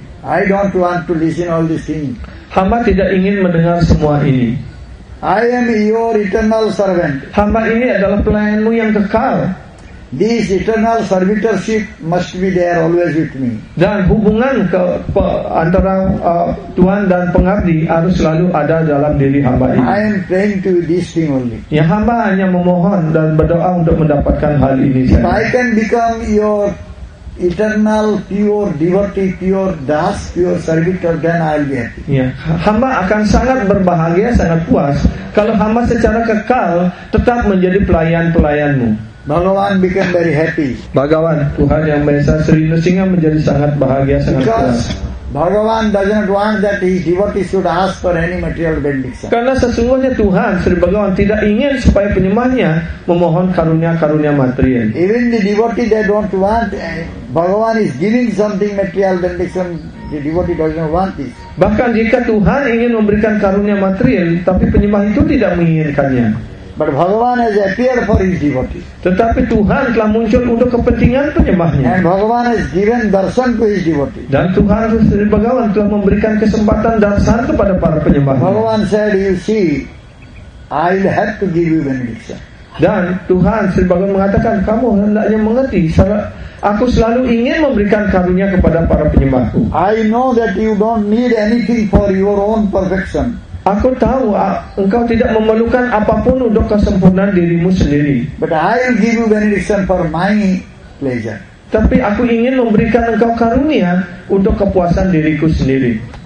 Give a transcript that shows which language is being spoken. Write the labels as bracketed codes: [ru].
[en] I don't want to listen all these things. [id] Hamba tidak ingin mendengar semua ini. [en] I am your eternal servant. [id] Hamba ini adalah pelayanmu yang kekal. [en] This eternal servitorship must be there always with me. [id] Dan hubungan antara Tuhan dan pengabdi harus selalu ada dalam diri hamba ini. [en] I am praying to this thing only. [id] Ya, hamba hanya memohon dan berdoa untuk mendapatkan hal ini saja. [en] I can become your eternal pure devotee, pure das, pure servitor, then I'll be happy. [id] Ya, hamba akan sangat berbahagia, sangat puas kalau hamba secara kekal tetap menjadi pelayan-pelayanmu. [en] Bhagawan became very happy. [id] Bhagawan, Tuhan Yang Maha Esa Sri Nrisimha menjadi sangat bahagia, sangat puas. [en] Because Bhagawan doesn't want that his devotee should ask for any material benediction. [id] Karena sesungguhnya Tuhan Sri Bhagawan tidak ingin supaya penyembahnya memohon karunia-karunia material. [en] Even the devotee they don't want. Bhagawan is giving something material benediction. The devotee doesn't want this. [id] Bahkan jika Tuhan ingin memberikan karunia material, tapi penyembah itu tidak menginginkannya. [en] But Bhagavan has appeared for his devotee. [id] Tetapi Tuhan telah muncul untuk kepentingan penyembahnya. [en] And Bhagavan has given darshan to his devotee. [id] Dan Tuhan Sri Bhagavan telah memberikan kesempatan darshan kepada para penyembahnya. [en] Bhagavan said, "You see, I'll have to give you benediction." [id] Dan Tuhan Sri Bhagavan mengatakan, "Kamu hendaknya mengerti, aku selalu ingin memberikan karunia kepada para penyembahku." [en] I know that you don't need anything for your own perfection. [id] Aku tahu engkau tidak memerlukan apapun untuk kesempurnaan dirimu sendiri. [en] But I will give you benediction for my pleasure. [id] Tapi aku ingin memberikan engkau karunia untuk kepuasan diriku sendiri.